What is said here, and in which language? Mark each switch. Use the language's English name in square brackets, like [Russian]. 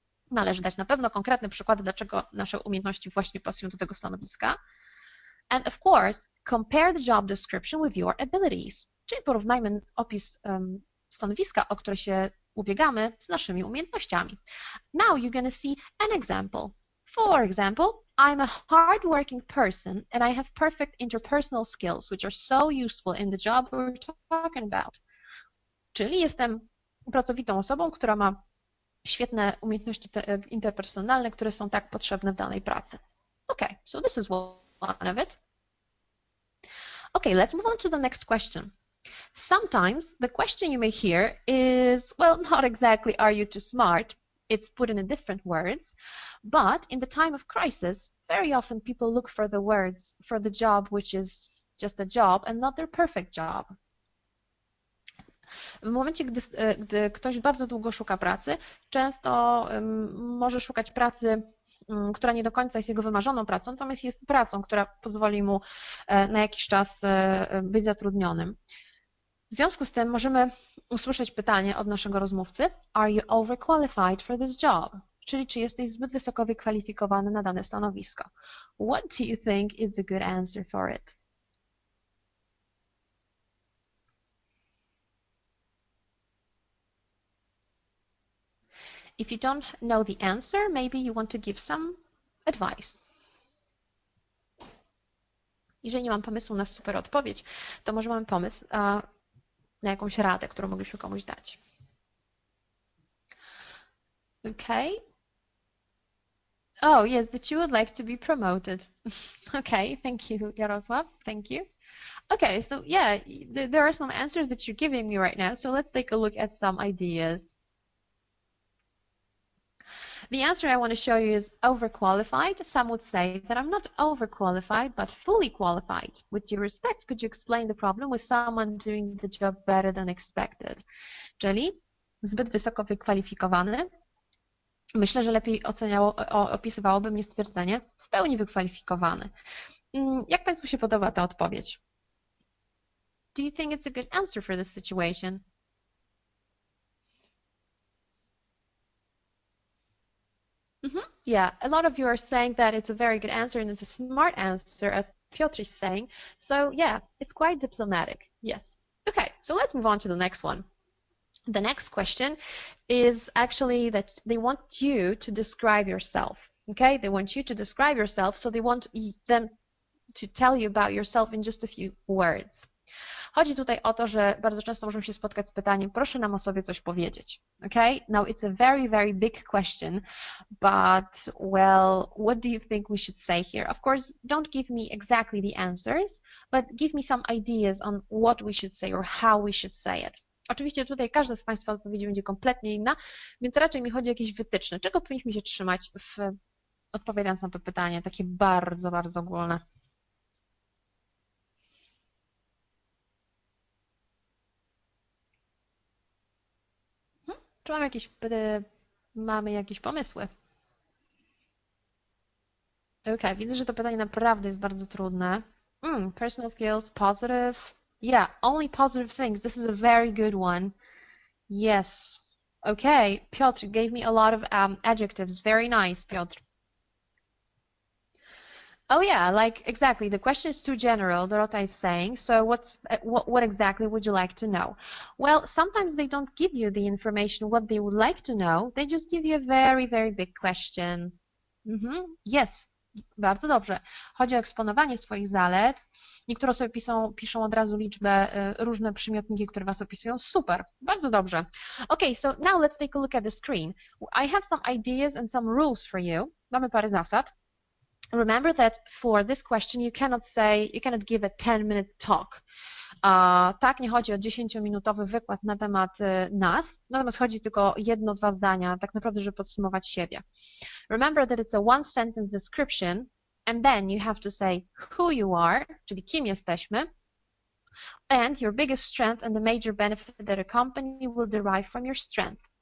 [Polish] Należy dać na pewno konkretne przykłady, dlaczego nasze umiejętności właśnie pasują do tego stanowiska. [English] And of course, compare the job description with your abilities. [Polish] Czyli porównajmy opis stanowiska, o które się ubiegamy, z naszymi umiejętnościami. [English] Now you're going to see an example. For example, I'm a hardworking person and I have perfect interpersonal skills, which are so useful in the job we're talking about. Czyli jestem pracowitą osobą, która ma świetne umiejętności interpersonalne, które są tak potrzebne w danej pracy. Okay, so this is one of it. Okay, let's move on to the next question. Sometimes the question you may hear is, well, not exactly, are you too smart? It's put in a different words, but in the time of crisis, very often people look for the words for the job, which is just a job and not their perfect job. [Polish] W momencie, gdy ktoś bardzo długo szuka pracy, często może szukać pracy, która nie do końca jest jego wymarzoną pracą, natomiast jest pracą, która pozwoli mu na jakiś czas być zatrudnionym. W związku z tym możemy usłyszeć pytanie od naszego rozmówcy: [English] Are you overqualified for this job? [Polish] Czyli czy jesteś zbyt wysoko wykwalifikowany na dane stanowisko? [English] What do you think is a good answer for it? If you don't know the answer, maybe you want to give some advice. [Polish] Jeżeli nie mam pomysłu na super odpowiedź, to może mam pomysł na jakąś radę, którą mogliśmy komuś dać. [English] Okay. Oh, yes, that you would like to be promoted. Okay, thank you, Jarosław. Thank you. Okay, so yeah, there are some answers that you're giving me right now, so let's take a look at some ideas. The answer I want to show you is overqualified. Some would say that I'm not overqualified, but fully qualified. With due respect, could you explain the problem with someone doing the job better than expected? [Polish] Czyli zbyt wysoko wykwalifikowany. Myślę, że lepiej opisywałoby mnie stwierdzenie w pełni wykwalifikowany. Jak Państwu się podoba ta odpowiedź? [English] Do you think it's a good answer for this situation? Mm-hmm. Yeah, a lot of you are saying that it's a very good answer and it's a smart answer, as Piotr is saying. So yeah, it's quite diplomatic. Yes. Okay, so let's move on to the next one. The next question is actually that they want you to describe yourself. Okay, they want you to describe yourself, so they want them to tell you about yourself in just a few words. [Polish] Chodzi tutaj o to, że bardzo często możemy się spotkać z pytaniem, proszę nam o sobie coś powiedzieć. [English] Okay? Now it's a very, very big question, but well, what do you think we should say here? Of course, don't give me exactly the answers, but give me some ideas on what we should say or how we should say it. [Polish] Oczywiście tutaj każda z Państwa odpowiedzi będzie kompletnie inna, więc raczej mi chodzi o jakieś wytyczne. Czego powinniśmy się trzymać w odpowiadając na to pytanie, takie bardzo, bardzo ogólne. Czy mamy jakieś pomysły? Okay, widzę, że to pytanie naprawdę jest bardzo trudne. [English] Personal skills, positive. Yeah, only positive things. This is a very good one. Yes. Okay, Piotr gave me a lot of adjectives. Very nice, Piotr. Oh yeah, like exactly. The question is too general, Dorota is saying. So what exactly would you like to know? Well, sometimes they don't give you the information what they would like to know. They just give you a very, very big question. [Polish] Mm-hmm. [English] Yes, [Polish] bardzo dobrze. Chodzi o eksponowanie swoich zalet. Niektóre sobie piszą od razu liczbę, różne przymiotniki, które was opisują. Super, bardzo dobrze. [English] Okay, so now let's take a look at the screen. I have some ideas and some rules for you. [Polish] Mamy parę zasad. [English] Remember that for this question you cannot give a 10-minute talk. [Polish] Tak, nie chodzi o 10-minutowy wykład na temat nas, natomiast chodzi tylko o jedno, dwa zdania, tak naprawdę, żeby podsumować siebie. [English] Remember that it's a one-sentence description and then you have to say who you are, [Polish] czyli kim jesteśmy, [English] and your biggest strength and the major benefit that a company will derive from your strength.